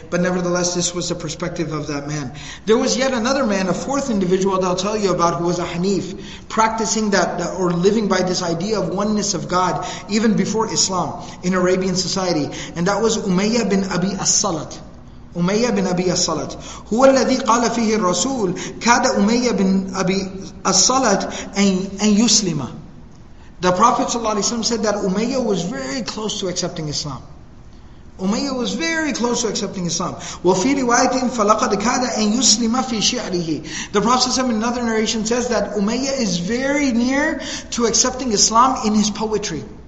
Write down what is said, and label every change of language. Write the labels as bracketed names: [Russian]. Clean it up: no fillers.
[English] But nevertheless, this was the perspective of that man. There was yet another man, a fourth individual that I'll tell you about, who was a hanif, practicing that, or living by this idea of oneness of God even before Islam in Arabian society. And that was Umayyah bin Abi As-Salat. Umayyah bin Abi As-Salat. [Arabic] هو الذي قال فيه الرسول كاد Umayyah bin Abi As-Salat أن يسلم. [English] The Prophet ﷺ said that Umayyah was very close to accepting Islam. Umayyah was very close to accepting Islam. [Arabic] وَفِي رِوَايَةٍ فَلَقَدْ كَادَ أَنْ يُسْلِمَ فِي شِعْرِهِ. [English] The Prophet in another narration says that Umayyah is very near to accepting Islam in his poetry.